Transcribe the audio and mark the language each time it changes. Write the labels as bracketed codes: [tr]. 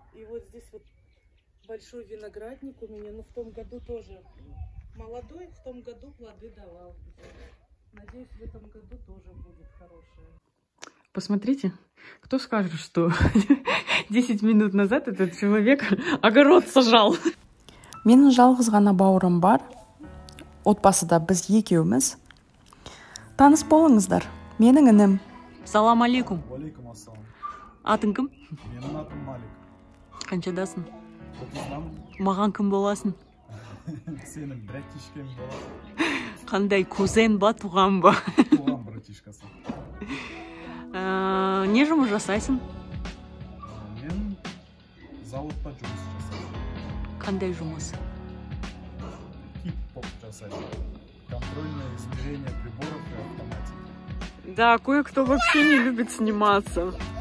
[ru] И вот здесь вот большой виноградник у меня, но в том году тоже молодой, в том году плоды давал. Надеюсь, в этом году тоже будет хорошее. Посмотрите, кто скажет, что 10 минут назад этот человек огород сажал. [kk] Менің жалғыз ғана бауырым бар. Отбасыда біз екеуміз. Таныс болыңыздар. Менің інім. Салам алейкум. Алейкум ассалам. Атың кім? Менің атым Малик. Қаншадасың? 30-дамын. Маған кім боласың? Сенің братишкем боласың. Қандай кузен ба, туған ба? Туған братишкасы. Не жұмыс жасайсың? Мен зауытта жұмыс жасайсың. Қандай жұмыс? Кип-поп жасайсың. [ru] Контрольное измерение приборов и автоматики. Да, кое-кто вообще не любит сниматься.